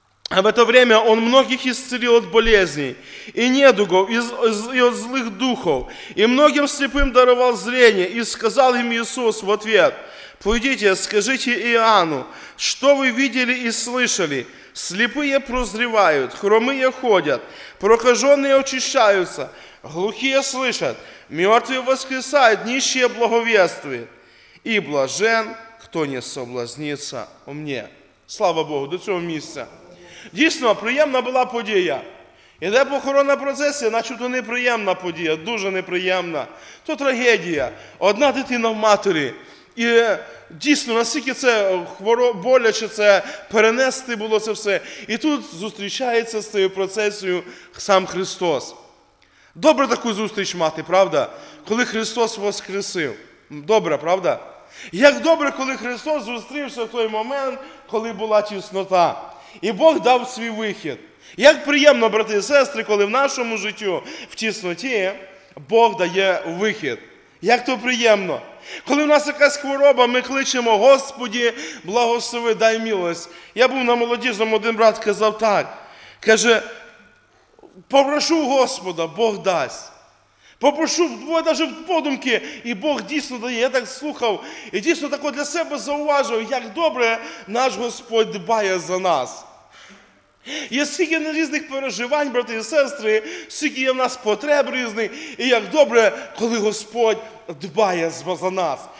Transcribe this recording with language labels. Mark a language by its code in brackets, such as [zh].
[ru] А в это время он многих исцелил от болезней и недугов, и от злых духов, и многим слепым даровал зрение, и сказал им Иисус в ответ, «Пойдите, скажите Иоанну, что вы видели и слышали? Слепые прозревают, хромые ходят, прокаженные очищаются, глухие слышат, мертвые воскресают, нищие благовествуют. И блажен, кто не соблазнится о мне». [uk] Слава Богу, до цього місця. Дійсно, приємна була подія. Іде похоронна процесія, начебто неприємна подія, дуже неприємна. То трагедія. Одна дитина в матері. І дійсно, наскільки це боляче це перенести було це все. І тут зустрічається з цією процесією сам Христос. Добре таку зустріч мати, правда? Коли Христос воскресив. Добре, правда? Як добре, коли Христос зустрівся в той момент, коли була тіснота. І Бог дав свій вихід. Як приємно, брати і сестри, коли в нашому житті, в тісноті, Бог дає вихід. Як то приємно. Коли в нас якась хвороба, ми кличемо: «Господі, благослови, дай милость». Я був на молодіжному, один брат казав так. Каже: «Попрошу Господа, Бог дасть. Попрошу, буває навіть подумки, і Бог дійсно дає». Я так слухав, і дійсно так для себе зауважив, як добре наш Господь дбає за нас. Є стільки різних переживань, брати і сестри, стільки є в нас потреб різних, і як добре, коли Господь дбає за нас.